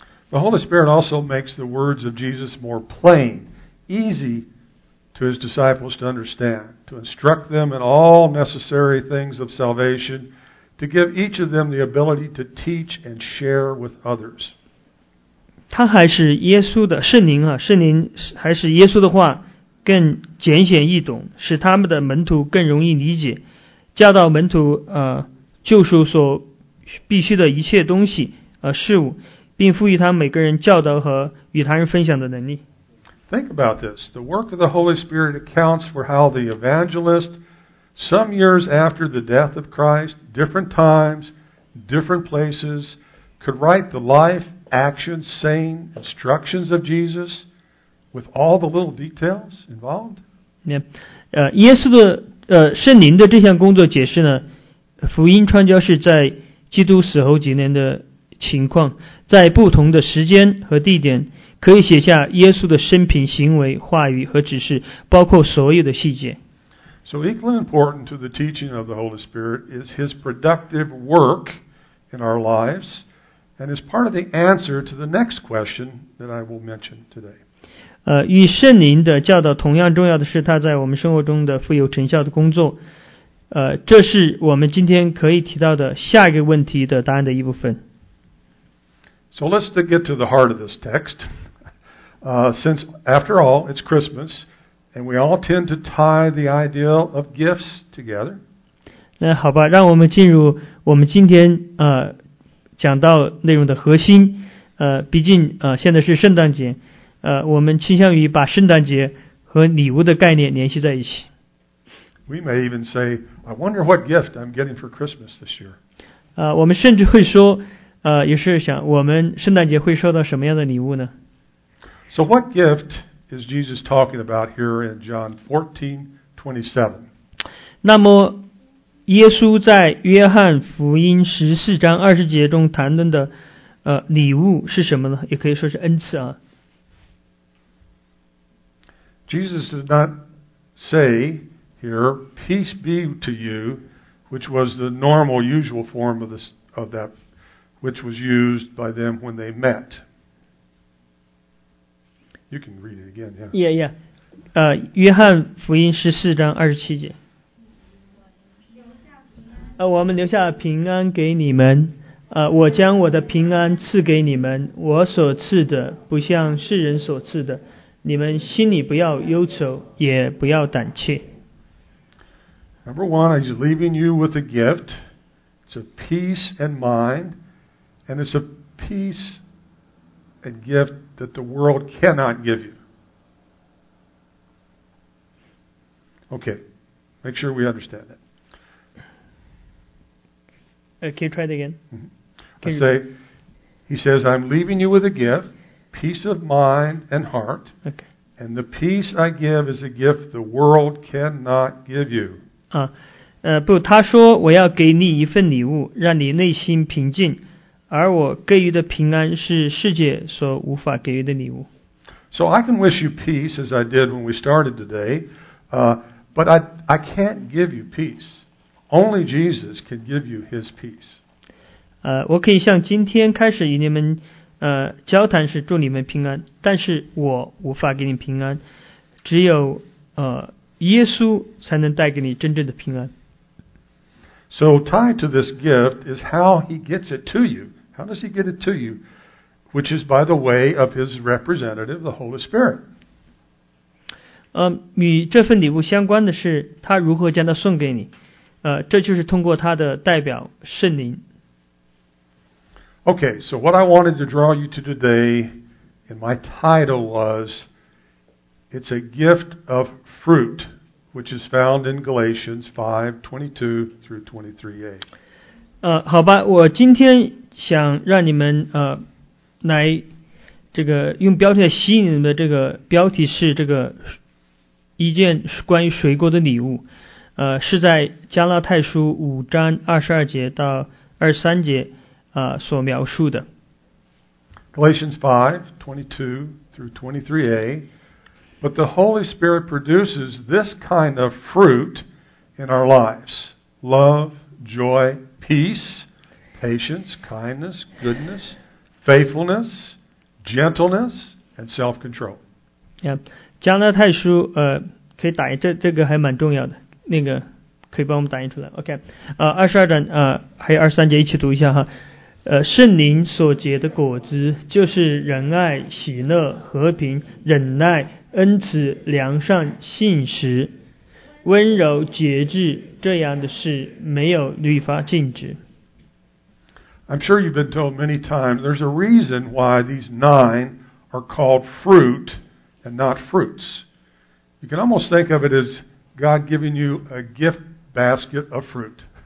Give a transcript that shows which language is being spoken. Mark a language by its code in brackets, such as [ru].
[en] The Holy Spirit also makes the words of Jesus more plain, easy to His disciples to understand, to instruct them in all necessary things of salvation, to give each of them the ability to teach and share with others. [zh] 他还使耶稣的圣灵，圣灵还使耶稣的话更简显易懂，使他们的门徒更容易理解，教导门徒救赎所必须的一切东西，事物。 [en] Think about this. The work of the Holy Spirit accounts for how the evangelist, some years after the death of Christ, different times, different places, could write the life, actions, saying, instructions of Jesus with all the little details involved. [zh] Yeah. 耶稣的圣灵的这项工作解释呢，福音传教士在基督死后几年的情况，在不同的时间和地点可以写下耶稣的生平、行为、话语和指示，包括所有的细节。 [en] So equally important to the teaching of the Holy Spirit is his productive work in our lives, and is part of the answer to the next question that I will mention today. [zh] 与圣灵的教导同样重要的是他在我们生活中的富有成效的工作。这是我们今天可以提到的下一个问题的答案的一部分。 [en] So let's get to the heart of this text. Since, after all, it's Christmas, and we all tend to tie the idea of gifts together. [zh] 那好吧，让我们进入我们今天讲到内容的核心。毕竟现在是圣诞节，我们倾向于把圣诞节和礼物的概念联系在一起。 [en] We may even say, "I wonder what gift I'm getting for Christmas this year." [zh] 我们甚至会说。也是想我们圣诞节会收到什么样的礼物呢 [en] So what gift is Jesus talking about here in John 14:27? [zh] 那么耶稣在约翰福音14:20中谈论的礼物是什么呢也可以说是恩赐啊 [en] Jesus did not say here peace be to you which was the normal usual form of, this, of thatwhich was used by them when they met. You can read it again, yeah. [zh] Yeah, yeah. 约翰福音14:27。我们留下平安给你们。我将我的平安赐给你们。我所赐的不像世人所赐的。你们心里不要忧愁，也不要胆怯。 [en] Number one, he's leaving you with a gift. It's a peace and mind. And it's a peace and gift that the world cannot give you. Okay, make sure we understand that. Can you try it again? Mm-hmm. He says, I'm leaving you with a gift, peace of mind and heart. Okay. And the peace I give is a gift the world cannot give you. [zh] 不，他说我要给你一份礼物，让你内心平静。而我给予的平安是世界所无法给予的礼物。 [en] So I can wish you peace as I did when we started today, but I can't give you peace. Only Jesus can give you His peace. [zh] 我可以像今天开始与你们交谈时祝你们平安，但是我无法给你平安，只有耶稣才能带给你真正的平安。 [en] So tied to this gift is how he gets it to you. How does he get it to you? Which is by the way of his representative, the Holy Spirit. [zh] 与这份礼物相关的是他如何将它送给你。这就是通过他的代表圣灵。 [en] Okay, so what I wanted to draw you to today in my title was It's a gift of fruit. Which is found in Galatians 5:22-23a. [zh] 好吧，我今天想让你们来这个用标题来吸引你们的这个标题是这个一件关于水果的礼物，是在加拉太书5:22-23所描述的。 [en] Galatians 5:22-23a. But the Holy Spirit produces this kind of fruit in our lives. Love, joy, peace, patience, kindness, goodness, faithfulness, gentleness, and self-control. [zh] Yeah, 加拉太书可以打印，这个还蛮重要的，那个可以帮我们打印出来。OK, 22还有23一起读一下哈。圣灵所结的果子就是仁爱、喜乐、和平、忍耐、恩慈、良善、信实、温柔、节制，这样的事没有律法禁止。 [en] I'm sure you've been told many times there's a reason why these nine are called fruit and not fruits. You can almost think of it as God giving you a gift basket of fruit.